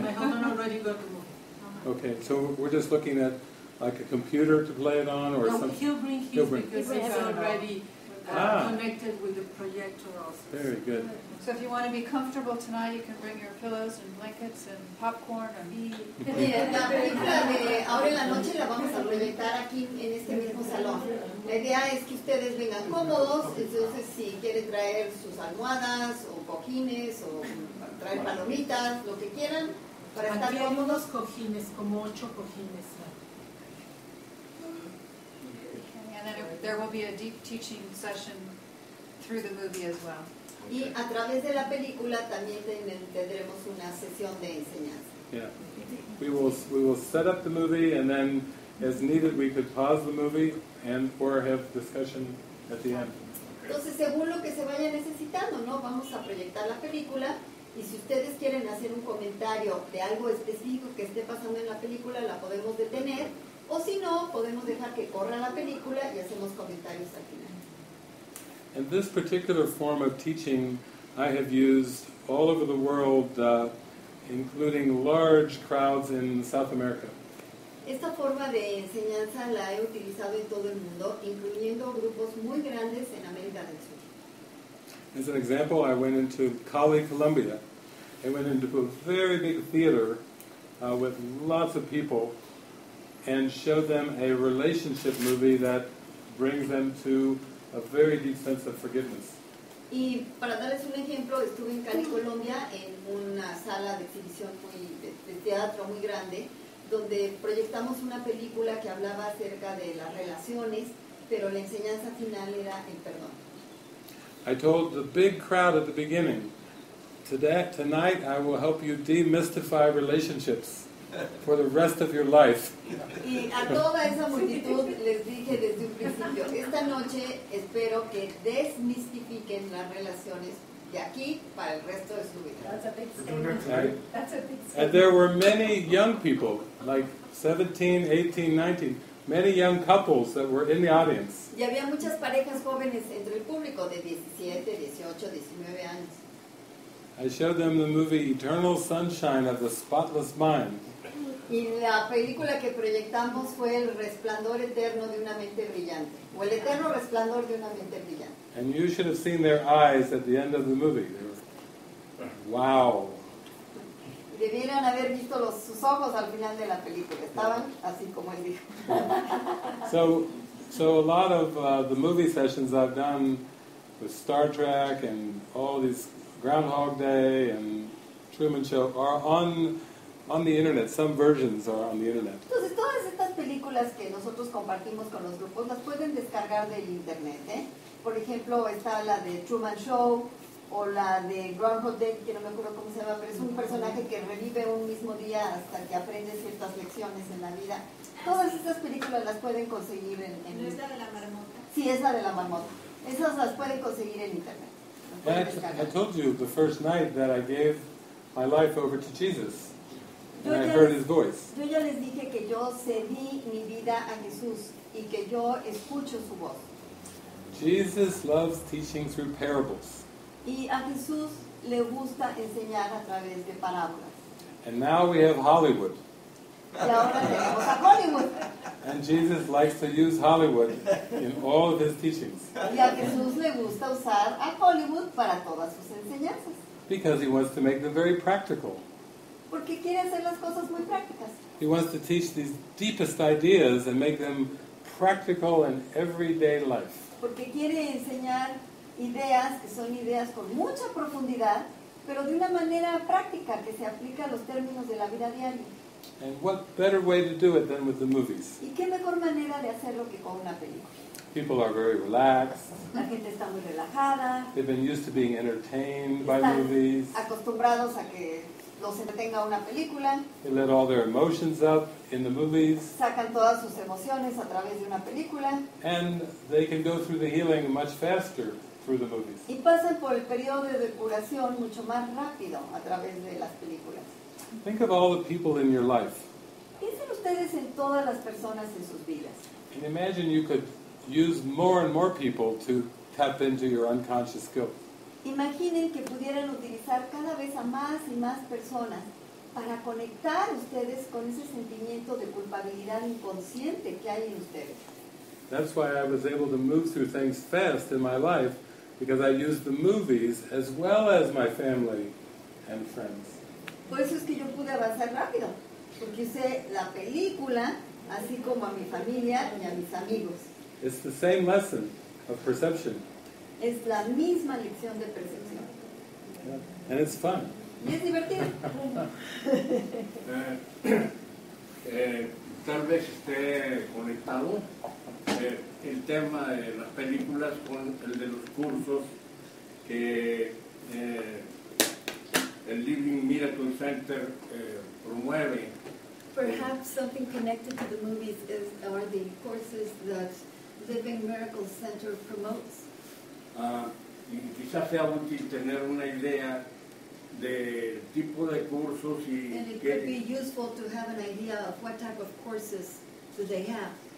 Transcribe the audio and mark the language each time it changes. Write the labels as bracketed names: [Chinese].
[English] My husband already got the movie. Okay. So we're just looking at like a computer to play it on or no, something. He'll bring his because he's already connected with the projector also. Very good. So if you want to be comfortable tonight, you can bring your pillows and blankets and popcorn and tea. [Spanish] Sí, la película de ahora en la noche la vamos a proyectar aquí en este mismo salón. La idea es que ustedes vengan cómodos, entonces si quieren traer sus almohadas o cojines o traer palomitas, lo que quieran, para estar cómodos. Aquí hay unos cojines, como 8 cojines. [English] And then there will be a deep teaching session through the movie as well. [Spanish] Y a través de la película también tendremos una sesión de enseñanza. [English] Yeah. We will set up the movie, and then as needed we could pause the movie and or have discussion at the end. [Spanish] Entonces, según lo que se vaya necesitando, ¿no? Vamos a proyectar la película, y si ustedes quieren hacer un comentario de algo específico que esté pasando en la película, la podemos detener. O si no, podemos dejar que corra la película y hacemos comentarios al final. [English] And this particular form of teaching I have used all over the world, including large crowds in South America. [Spanish] Esta forma de enseñanza la he utilizado en todo el mundo, incluyendo grupos muy grandes en América del Sur. [English] As an example, I went into Cali, Colombia. I went into a very big theater with lots of people, and show them a relationship movie that brings them to a very deep sense of forgiveness. [Spanish] Y para darles un ejemplo, estuve en Cali, Colombia, en una sala de exhibición de teatro muy grande, donde proyectamos una película que hablaba acerca de las relaciones, pero la enseñanza final era el perdón. [English] I told the big crowd at the beginning, today, tonight I will help you demystify relationships for the rest of your life. [Spanish] Y a toda esa multitud les dije desde un principio, esta noche espero que desmistifiquen las relaciones de aquí para el resto de su vida. [English] That's a big statement. And there were many young people, like 17, 18, 19, many young couples that were in the audience. [Spanish] Y había muchas parejas jóvenes entre el público de 17, 18, 19 años. [English] I showed them the movie Eternal Sunshine of the Spotless Mind. [Spanish] Y la película que proyectamos fue El Resplandor Eterno de una Mente Brillante, o El Eterno Resplandor de una Mente Brillante. [English] And you should have seen their eyes at the end of the movie. They were, wow. [Spanish] Y debieran haber visto sus ojos al final de la película. Estaban así como él dijo. [English] So a lot of the movie sessions I've done with Star Trek and all these Groundhog Day and Truman Show are on the internet. Some versions are on the internet. [Spanish] Entonces, todas estas películas que nosotros compartimos con los grupos las pueden descargar del internet, ¿eh? Por ejemplo, está la de Truman Show o la de Groundhog Day, que no me acuerdo cómo se llama, pero es un personaje que revive un mismo día hasta que aprende ciertas lecciones en la vida. Todas estas películas las pueden conseguir en internet. ¿No es la de la marmota? Sí, es la de la marmota. Esas las pueden conseguir en internet. [English] I told you the first night that I gave my life over to Jesus. And I heard his voice. [Spanish] Yo ya les dije que yo cedí mi vida a Jesús y que yo escucho su voz. [English] Jesus loves teaching through parables. [Spanish] Y a Jesús le gusta enseñar a través de parábolas. [English] And now we have Hollywood. [Spanish] Y ahora tenemos a Hollywood. [English] And Jesus likes to use Hollywood in all of his teachings. [Spanish] Y a Jesús le gusta usar a Hollywood para todas sus enseñanzas. [English] Because he wants to make them very practical. [Spanish] Porque quiere hacer las cosas muy prácticas. [English] He wants to teach these deepest ideas and make them practical in everyday life. [Spanish] Porque quiere enseñar ideas que son ideas con mucha profundidad, pero de una manera práctica que se aplica a los términos de la vida diaria. [English] And what better way to do it than with the movies? [Spanish] ¿Y qué mejor manera de hacerlo que con una película? [English] People are very relaxed. [Spanish] La gente está muy relajada. [English] They've been used to being entertained by movies. [Spanish] Acostumbrados a que los entretenga una película. [English] They let all their emotions up in the movies. [Spanish] Sacan todas sus emociones a través de una película. [English] And they can go through the healing much faster through the movies. [Spanish] Y pasan por el periodo de curación mucho más rápido a través de las películas. [English] Think of all the people in your life. [Spanish] Piensen ustedes en todas las personas en sus vidas. [English] And imagine you could use more and more people to tap into your unconscious skill. [Spanish] Imaginen que pudieran utilizar cada vez a más y más personas para conectar ustedes con ese sentimiento de culpabilidad inconsciente que hay en ustedes. [English] That's why I was able to move through things fast in my life, because I used the movies as well as my family and friends. [Spanish] Por eso es que yo pude avanzar rápido, porque usé la película así como a mi familia y a mis amigos. [English] It's the same lesson of perception. [Spanish] Es la misma lección de percepción. [English] Yeah. And it's fun. [Spanish] Y es divertido. Tal vez esté conectado el tema de las películas con el de los cursos que el Living Miracle Center promueve. [English] Perhaps something connected to the movies is are the courses that Living Miracle Center promotes. [Spanish] Y quizás sea útil tener una idea del tipo de cursos y [English] and it could be useful to have an idea of what type of courses do they have.